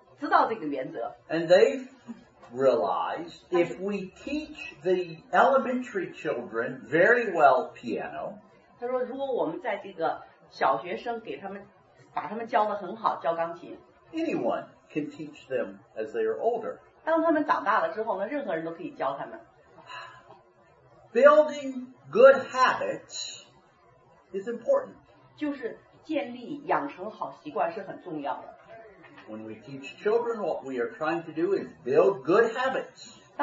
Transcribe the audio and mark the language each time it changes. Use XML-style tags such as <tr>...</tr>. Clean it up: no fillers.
<zh>但是不知道怎么回事，在这个当时那个苏联的体制里边，可能有人就知道这个原则。</zh> <en>And they realized if we teach the elementary children very well piano,</en> <zh>他说如果我们在这个小学生给他们把他们教得很好，教钢琴,</zh> <en>anyone can teach them as they are older.</en> <zh>当他们长大了之后呢，任何人都可以教他们。</zh> <en>Building good habits is important.</en> <zh>就是建立养成好习惯是很重要的。</zh> <en>When we teach children, what we are trying to do is build good habits.</en>